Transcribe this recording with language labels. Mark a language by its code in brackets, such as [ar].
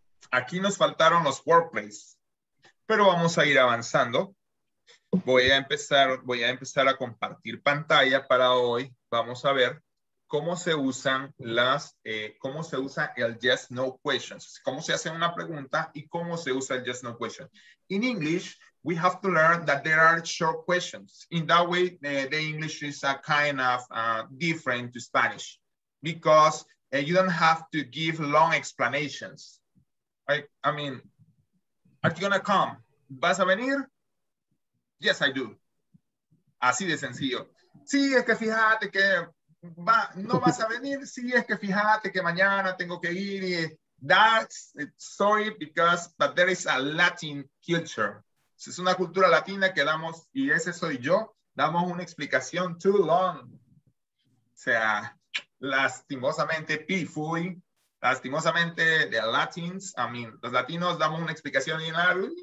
[es] Aquí nos faltaron los workplaces, pero vamos a ir avanzando. Voy a empezar a compartir pantalla para hoy. Vamos a ver cómo se usan cómo se usa el [en] yes no questions. [es] Cómo se hace una pregunta y cómo se usa el [en] yes no question. In English, we have to learn that there are short questions. In that way, the English is a kind of different to Spanish because you don't have to give long explanations. I mean, are you gonna come? [es] ¿Vas a venir? [en] Yes, I do. [es] Así de sencillo. Sí, es que fíjate que va, no vas a venir. Sí, es que fíjate que mañana tengo que ir. [en] Y that's sorry because but there is a Latin culture. [es] Es una cultura latina que damos, y ese soy yo, damos una explicación [en] too long. [es] O sea, lastimosamente, pitiful, lastimosamente, [en] the Latins, I mean, [es] los latinos damos una explicación y nada.